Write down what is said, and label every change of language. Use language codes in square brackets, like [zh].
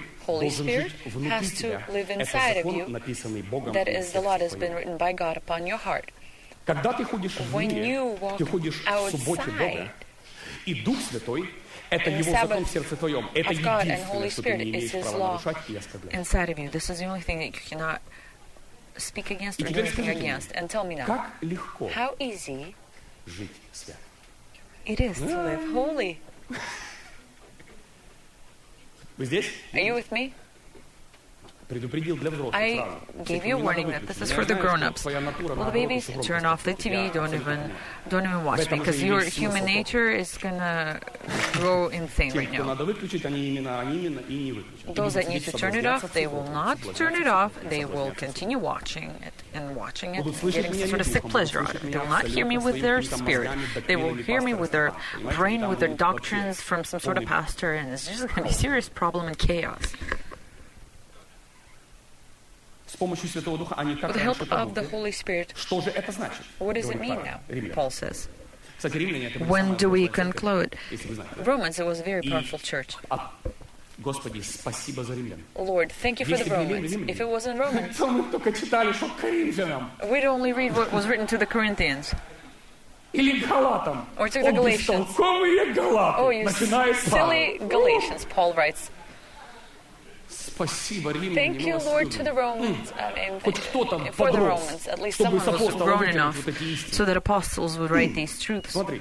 [en] Holy Spirit has to live inside of you. That is the law that has been written by God upon your heart. [ru] Когда ты ходишь в мире, ты ходишь в субботе Бога, и Дух Святой это его закон в сердце твоем. Это единственное, что ты не имеешь права нарушать и оскорблять. [en] Inside of you, this is the only thing that you cannot speak against or do anything against. And tell me now, [ru] как легко [en] how easy [ru] жить свято? [en] It is to live holy. [ru] Вы здесь? [en] Are you with me? [ru] Предупредил для взрослых. [en] I gave you a warning that this is for the grown-ups. Well, babies, turn off the TV. Don't even watch because your human nature is gonna go insane right now. Those that need to turn it off, they will not turn it off. They will continue watching it, getting some sort of sick pleasure out of it. They will not hear me with their spirit. They will hear me with their brain, with their doctrines from some sort of pastor, and it's just gonna be a serious problem and chaos. [ru] С помощью Святого Духа они как работают. Что же это значит? [en] What does it mean now? Paul says. [ru] Кстати, римляне, это [en] when do we conclude? [ru] Знаете, [en] Romans, it was a very powerful church. [ru] Господи, спасибо за римлян. [en] Lord, thank you for the Romans. If it wasn't Romans, [ru] только читали, что Коринфянам. [en] We'd only read what was written to the Corinthians. [ru] Или Галатам. [en] Or to the Galatians. Oh, you silly Galatians, Paul writes. [ru] Спасибо, Римляне, [en] thank you, Lord, to the Romans. For the Romans, at least someone who was grown enough so that apostles would write these truths.